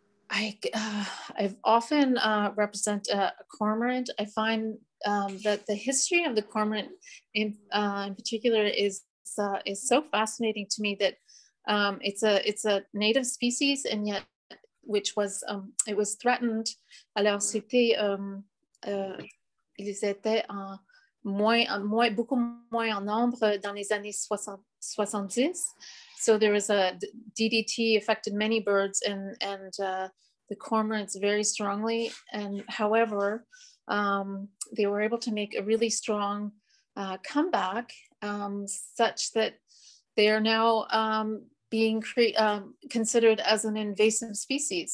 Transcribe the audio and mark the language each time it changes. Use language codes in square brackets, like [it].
[en] I've often represent a cormorant. I find that the history of the cormorant in particular is so fascinating to me that it's a native species, and yet which was it was threatened. [fr] Alors c'était ils étaient beaucoup moins en nombre dans les années 70. [en] So there was a DDT affected many birds and the cormorants very strongly. And however, they were able to make a really strong comeback, such that they are now being considered as an invasive species.